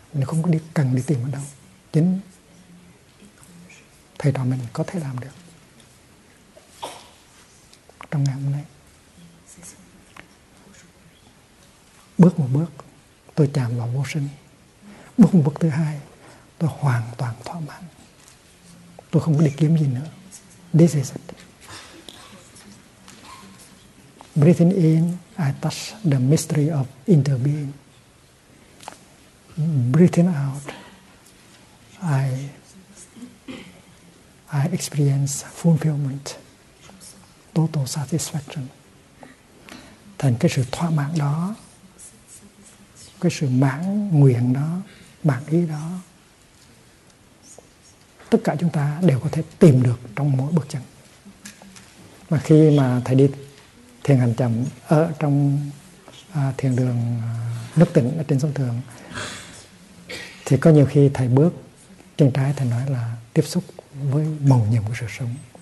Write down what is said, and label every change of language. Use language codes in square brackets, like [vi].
[vi] Mình không có đi cần đi tìm ở đâu, chính thầy trò mình có thể làm được trong ngày hôm nay. Bước một bước, tôi chạm vào vô sinh. Bước một bước thứ hai, tôi hoàn toàn thỏa mãn. Tôi không có đi kiếm gì nữa. [en] This is it. Breathing in, I touch the mystery of interbeing. Breathing out, I experience fulfillment, total satisfaction. [vi] Thành cái sự thỏa mãn đó, cái sự mãn nguyện đó, mãn ý đó, tất cả chúng ta đều có thể tìm được trong mỗi bước chân. Mà khi mà thầy đi thiền hành chậm ở trong thiền đường nước tỉnh ở trên sông Thường, thì có nhiều khi thầy bước chân trái, thầy nói là tiếp xúc với màu nhiệm của sự sống.